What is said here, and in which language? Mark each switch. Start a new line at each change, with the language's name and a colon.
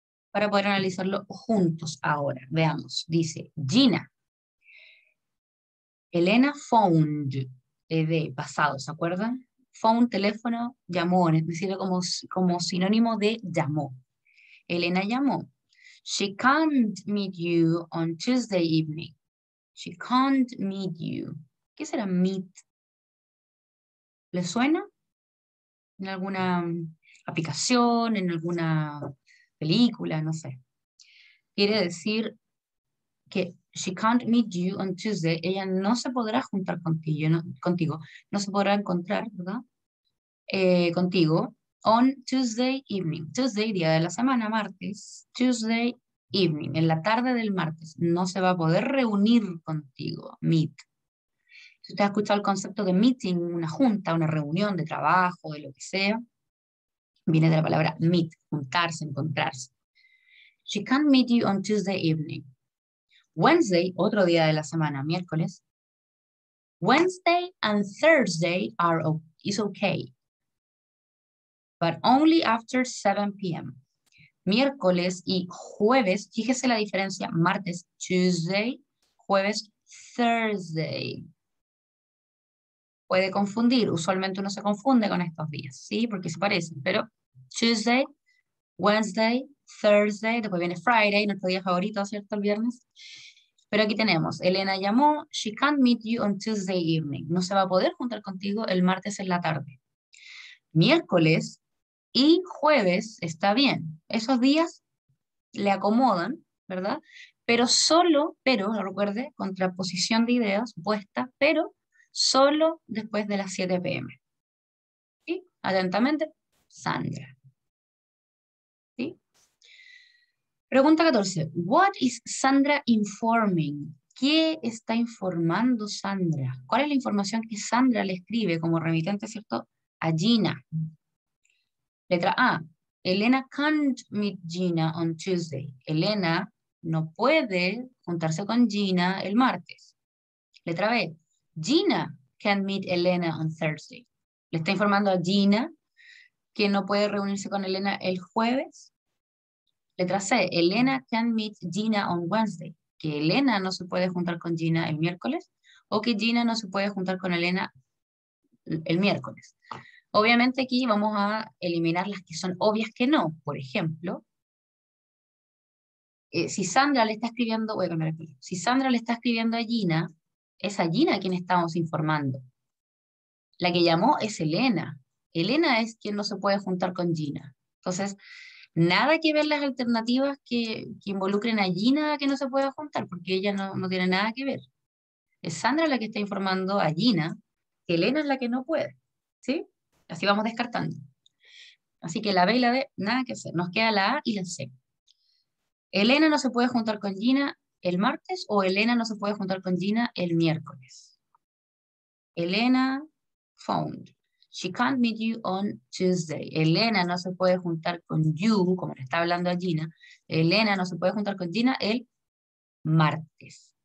Spanish: Para poder analizarlo juntos ahora. Veamos, dice Gina. Elena found, de pasado, ¿se acuerdan? Found, teléfono, llamó, es decir, como sinónimo de llamó. Elena llamó.
English: She can't meet you on Tuesday evening. She can't meet you.
Spanish: ¿Qué será meet? ¿Le suena? ¿En alguna aplicación? ¿En alguna película? No sé. Quiere decir que
English: she can't meet you on Tuesday.
Spanish: Ella no se podrá juntar contigo, no se podrá encontrar, ¿verdad?
English: Contigo on Tuesday evening.
Spanish: Tuesday, día de la semana, martes. Tuesday evening, en la tarde del martes. No se va a poder reunir contigo. Meet. Si usted ha escuchado el concepto de meeting, una junta, una reunión de trabajo, de lo que sea, viene de la palabra meet, juntarse, encontrarse.
English: She can't meet you on Tuesday evening.
Spanish: Wednesday, otro día de la semana, miércoles.
English: Wednesday and Thursday is okay. But only after 7 p.m.
Spanish: Miércoles y jueves, fíjese la diferencia, martes, Tuesday, jueves, Thursday. Puede confundir, usualmente uno se confunde con estos días, ¿sí? Porque se parecen, pero Tuesday, Wednesday, Thursday, después viene Friday, nuestro día favorito, ¿cierto? El viernes. Pero aquí tenemos, Elena llamó,
English: she can't meet you on Tuesday evening.
Spanish: No se va a poder juntar contigo el martes en la tarde. Miércoles y jueves está bien. Esos días le acomodan, ¿verdad? Pero solo, pero, recuerde, contraposición de ideas, opuesta, pero solo después de las 7 p.m. ¿Sí? Atentamente, Sandra. Pregunta 14.
English: What is Sandra informing?
Spanish: ¿Qué está informando Sandra? ¿Cuál es la información que Sandra le escribe como remitente, cierto? A Gina. Letra A.
English: Elena can't meet Gina on Tuesday.
Spanish: Elena no puede juntarse con Gina el martes. Letra B.
English: Gina can't meet Elena on Thursday.
Spanish: ¿Le está informando a Gina que no puede reunirse con Elena el jueves? Letra C,
English: Elena can meet Gina on Wednesday.
Spanish: ¿Que Elena no se puede juntar con Gina el miércoles? ¿O que Gina no se puede juntar con Elena el miércoles. Obviamente aquí vamos a eliminar las que son obvias que no. Por ejemplo, si Sandra le está escribiendo, voy a cambiar el color. Si Sandra le está escribiendo a Gina, es a Gina a quien estamos informando. La que llamó es Elena. Elena es quien no se puede juntar con Gina. Entonces, nada que ver las alternativas que involucren a Gina que no se pueda juntar, porque ella no tiene nada que ver. Es Sandra la que está informando a Gina que Elena es la que no puede. ¿Sí? Así vamos descartando. Así que la B y la D, nada que hacer. Nos queda la A y la C. ¿Elena no se puede juntar con Gina el martes o Elena no se puede juntar con Gina el miércoles?
English: Elena found. She can't meet you on Tuesday.
Spanish: Elena no se puede juntar con you, como le está hablando a Gina. Elena no se puede juntar con Gina el martes.